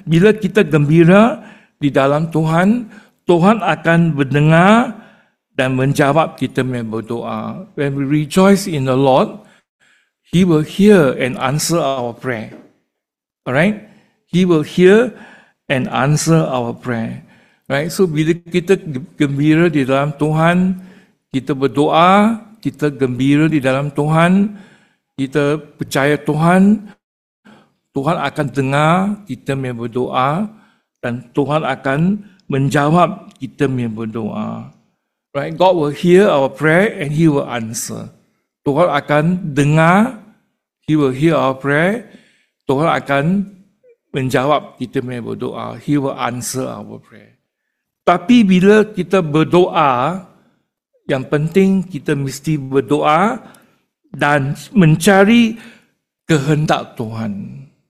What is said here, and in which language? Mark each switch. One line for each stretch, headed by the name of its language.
Malay: Bila kita gembira di dalam Tuhan, Tuhan akan mendengar dan menjawab kita yang berdoa.
English: When we rejoice in the Lord, He will hear and answer our prayer. Alright? He will hear and answer our prayer. Right?
Malay: So, bila kita gembira di dalam Tuhan, kita berdoa, kita gembira di dalam Tuhan, kita percaya Tuhan, Tuhan akan dengar kita yang berdoa dan Tuhan akan menjawab kita yang berdoa.
English: Right? God will hear our prayer and He will answer.
Malay: Tuhan akan dengar,
English: He will hear our prayer,
Malay: Tuhan akan menjawab kita yang berdoa.
English: He will answer our prayer.
Malay: Tapi bila kita berdoa, yang penting kita mesti berdoa dan mencari kehendak Tuhan.